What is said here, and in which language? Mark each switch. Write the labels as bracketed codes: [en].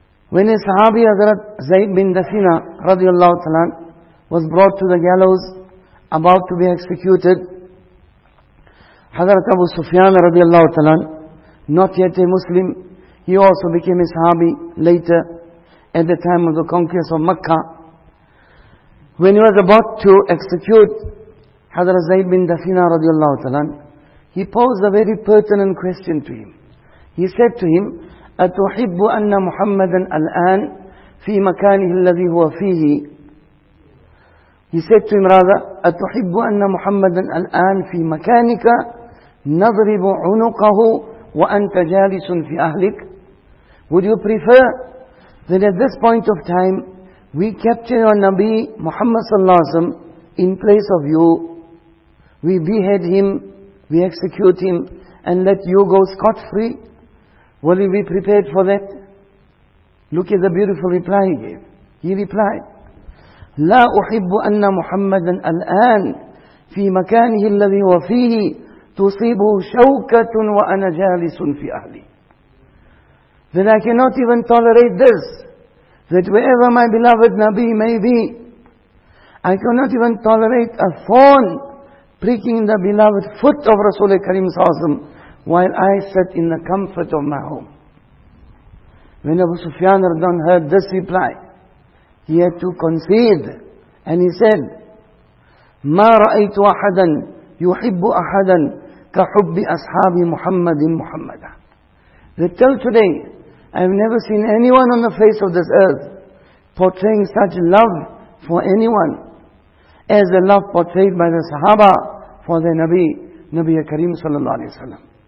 [en] When a Sahabi, Hazrat Zaid bin Dathina, radiallahu ta'ala, was brought to the gallows, about to be executed, Hazrat Abu Sufyan, radiallahu ta'ala, not yet a Muslim, he also became a Sahabi later, at the time of the conquest of Makkah. When he was about to execute Hazrat Zaid bin Dathina radiallahu ta'ala, He posed a very pertinent question to him. He said to him, [ar] أَتُحِبُّ أَنَّ مُحَمَّدًا الآن فِي مَكَانِهِ الَّذِي هُوَ فِيهِ. [en] He said to him rather, [ar] أَتُحِبُّ أَنَّ مُحَمَّدًا الآن فِي مَكَانِكَ نَضْرِبُ عُنُقَهُ وَأَنْتَ جَالِسٌ فِي أَهْلِكَ. [en] Would you prefer that at this point of time we capture your Nabi Muhammad sallallahu alayhi wa sallam in place of you, we behead him, we execute him, and let you go scot-free? Will he be prepared for that? Look at the beautiful reply he gave. He replied, [ar] لا أحب أن محمدا الآن في مكانه الذي هو فيه تصيب شوكة وأنا جالس في أهلي. [en] Then I cannot even tolerate this, that wherever my beloved Nabi may be, I cannot even tolerate a thorn pricking the beloved foot of Rasulullah Karim Sa'asim while I sat in the comfort of my home. When Abu Sufyan Radan heard this reply, he had to concede. And he said, [ar] مَا رَأَيْتُ أَحَدًا يُحِبُّ أَحَدًا كَحُبِّ أَصْحَابِ مُحَمَّدٍ مُحَمَّدًا. [en] That till today, I have never seen anyone on the face of this earth portraying such love for anyone as the love portrayed by the Sahaba for the Nabi, Nabi Kareem sallallahu alayhi wa sallam.